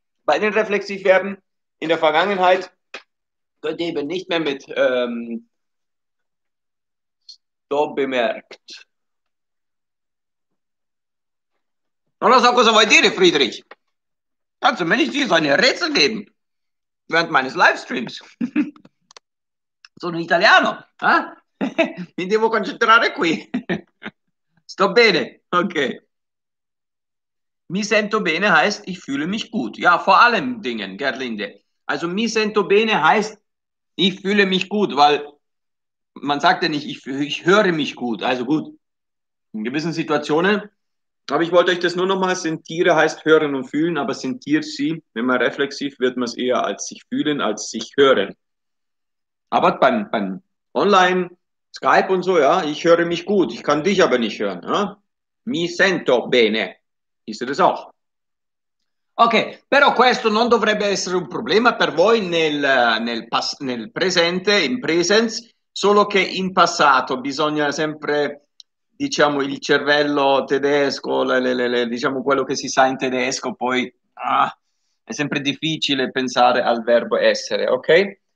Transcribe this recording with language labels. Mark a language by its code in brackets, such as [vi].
[de] Bei den Reflexivverben in der Vergangenheit könnt ihr eben nicht mehr mit sto bemerkt. [it] Non lo so cosa vuoi dire, Friedrich. [de] Also, wenn ich dir so eine Rätsel geben, während meines Livestreams. [it] Sono italiano, eh? Mi devo concentrare qui. Sto bene, ok. Mi sento bene [de] heißt, ich fühle mich gut. Ja, vor allem Dingen, Gerlinde. Also, [it] mi sento bene [de] heißt, ich fühle mich gut, weil man sagt ja nicht, ich höre mich gut. Also gut, in gewissen Situationen. Aber ich wollte euch das nur nochmal, sentire heißt hören und fühlen, aber sentirsi, wenn man reflexiv wird, man es eher als sich fühlen, als sich hören. Aber beim Online, Skype und so, ja, ich höre mich gut, ich kann dich aber nicht hören. Ja? [it] Mi sento bene, [de] hieß das auch. [it] Okay, però questo non dovrebbe essere un problema per voi nel presente, in presence, solo che in passato bisogna sempre... diciamo il cervello tedesco, diciamo quello che si sa in tedesco, poi è sempre difficile pensare al verbo essere, ok?